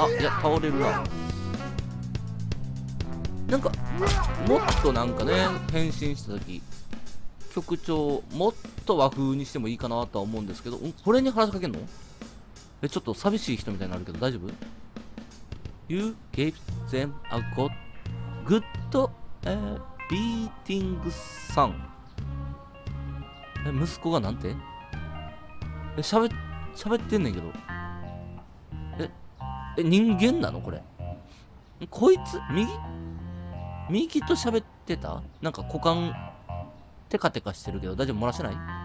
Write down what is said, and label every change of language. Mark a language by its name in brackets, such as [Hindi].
[Japanese] あ、いや倒れるな。なんかもっとなんかね、変身した時曲調もっと和風にしてもいいかなとは思うんですけど、これに話しかけんの。え、ちょっと寂しい人みたいになるけど大丈夫。 [English] You gave them a good、beating son。 [Japanese] え、息子がなんて、え、喋ってんねんけど、え、人間なのこれ。こいつ右と喋ってた。なんか股間テカテカしてるけど大丈夫、漏らしてない。